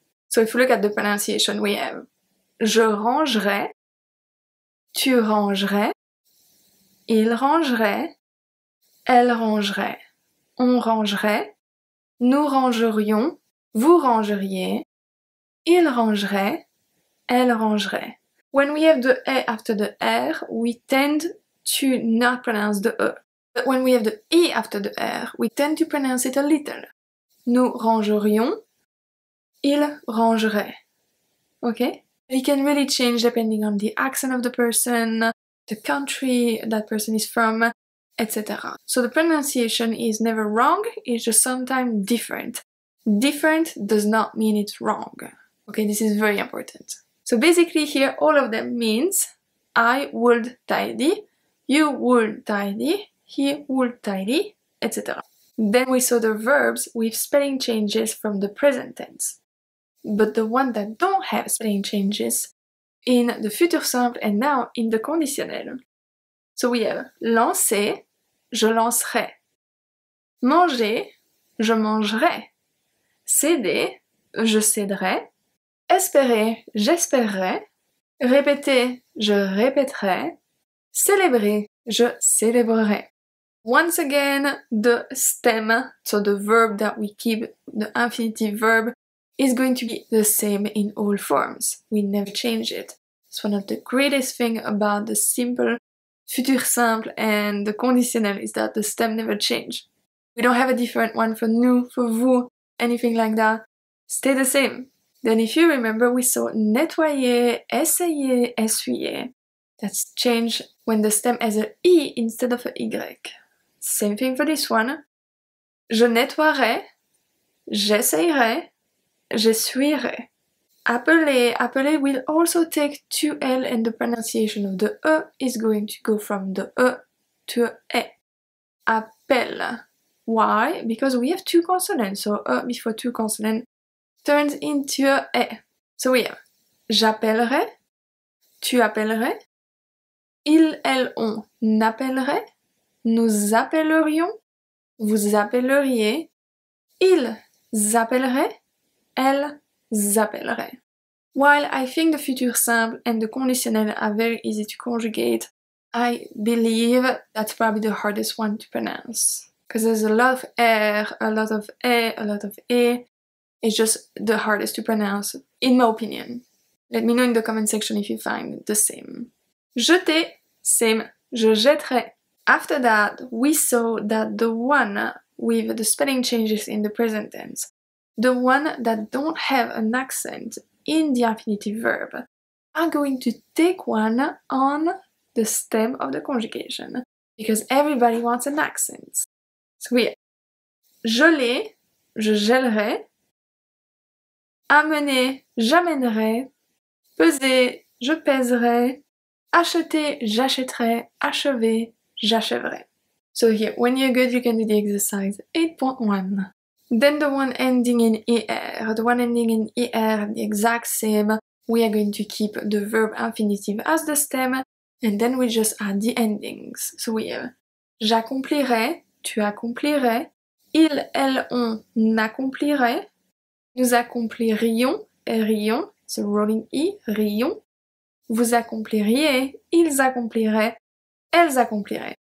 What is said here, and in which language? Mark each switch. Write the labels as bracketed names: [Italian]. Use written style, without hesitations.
[English] So if we look at the pronunciation, we have [French] je rangerai, tu rangerais, il rangerait, elle rangerait, on rangerait, nous rangerions, vous rangeriez, il rangerait, elle rangerait. [English] When we have the A after the R, we tend to not pronounce the E. But when we have the E after the R, we tend to pronounce it a little. [French] Nous rangerions, il rangerait. [English] Okay? It can really change depending on the accent of the person, the country that person is from, etc. So the pronunciation is never wrong, it's just sometimes different. Different does not mean it's wrong. Okay, this is very important. So basically here, all of them means I would tidy, you would tidy, he would tidy, etc. Then we saw the verbs with spelling changes from the present tense. But the one that don't have spelling changes in the futur simple and now in the conditionnel. So we have [French] lancer, je lancerai. Manger, je mangerai. Céder, je céderai. Espérer, j'espérerai. Répéter, je répéterai. Célébrer, je célébrerai. [English] Once again, the stem, so the verb that we keep, the infinitive verb, is going to be the same in all forms. We never change it. It's one of the greatest things about the simple, futur simple, and the conditionnel is that the stem never changes. We don't have a different one for nous, for vous, anything like that. Stay the same. Then if you remember, we saw nettoyer, essayer, essuyer. That's changed when the stem has an E instead of an Y. Same thing for this one. [French] Je nettoierai, j'essayerai, j'essuierai. [English] Appeler, appeler will also take two L and the pronunciation of the E is going to go from the E to E. Appel. Why? Because we have two consonants, so E before two consonants turns into a E. So we have [French] j'appellerai, tu appellerais, ils, elles, on n'appellerait, nous appellerions, vous appelleriez, ils appelleraient, elles appelleraient. [English] While I think the future simple and the conditional are very easy to conjugate, I believe that's probably the hardest one to pronounce. Because there's a lot of R, a lot of E, a lot of E. It's just the hardest to pronounce, in my opinion. Let me know in the comment section if you find the same. Jeter, same. [French] Je jetterai. [English] After that, we saw that the one with the spelling changes in the present tense, the one that don't have an accent in the infinitive verb, are going to take one on the stem of the conjugation. Because everybody wants an accent. So we, [French] je l'ai, je gèlerai, amener, j'amènerai, peser, je pèserai, acheter, j'achèterai, achever, j'achèverai. [English] So here, when you're good, you can do the exercise 8.1. Then the one ending in ER, the one ending in ER, the exact same. We are going to keep the verb infinitive as the stem, and then we just add the endings. So we have, [French] j'accomplirai, tu accomplirais, il, elle, on, n'accomplirait, nous accomplirions, rions, [English] it's a rolling E, [French] rions, vous accompliriez, ils accompliraient, elles accompliraient.